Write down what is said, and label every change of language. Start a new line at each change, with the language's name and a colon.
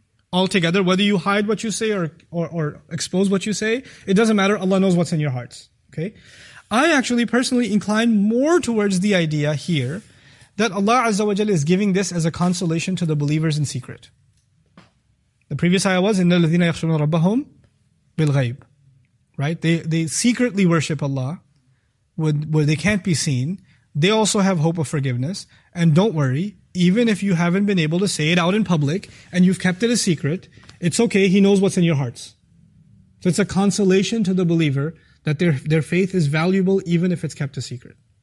English: Altogether, whether you hide what you say or expose what you say, it doesn't matter. Allah knows what's in your hearts. Okay? I actually personally incline more towards the idea here that Allah Azza wa Jalla is giving this as a consolation to the believers in secret. The previous ayah was,
Arabic: إِنَّ الَّذِينَ يَخْشَوْنَ رَبَّهُمْ بِالْغَيْبِ.
English: Right? They secretly worship Allah where they can't be seen. They also have hope of forgiveness. And don't worry, even if you haven't been able to say it out in public and you've kept it a secret, it's okay, He knows what's in your hearts. So it's a consolation to the believer that their faith is valuable even if it's kept a secret.